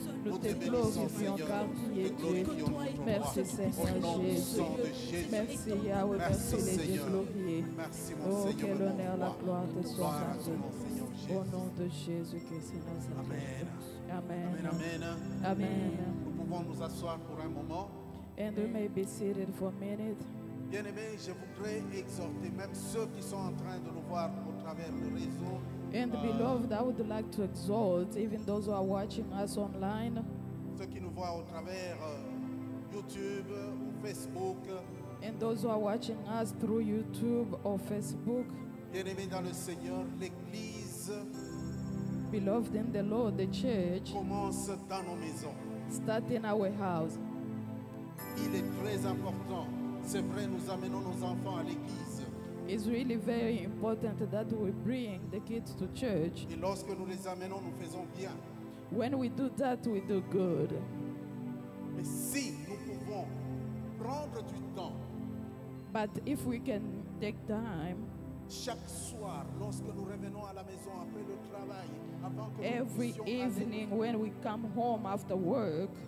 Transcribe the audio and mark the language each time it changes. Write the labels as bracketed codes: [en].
[fr] Nous te glorifions car tu es Dieu. Merci Seigneur Jésus. Merci Yahweh, merci les dieux glorieux. Oh, quel honneur, la gloire te soit rendue. Au nom de Jésus-Christ, c'est notre Seigneur. Amen. Amen. Amen. Amen. Nous pouvons nous asseoir pour un moment. [en] And we may be seated for a minute. [fr] Bien-aimés, je voudrais exhorter même ceux qui sont en train de nous voir au travers le réseau. [en] And beloved, I would like to exhort even those who are watching us online. [fr] Ceux qui nous voient au travers YouTube ou Facebook. [en] And those who are watching us through YouTube or Facebook. [fr] Bien-aimés dans le Seigneur, l'Église. [en] Beloved in the Lord, the church. [fr] Commence dans nos maisons. [en] Start in our house. [fr] Il est très important. C'est vrai, nous amenons nos enfants à l'église. [en] It's really very important that we bring the kids to church. [fr] Et lorsque nous les amenons, nous faisons bien. [en] When we do that, we do good. [fr] Mais si nous pouvons prendre du temps. [en] But if we can take time. [fr] Chaque soir, lorsque nous revenons à la maison après le travail, avant que [en] every [fr] nous puissions [en] evening aller, when we come home after work.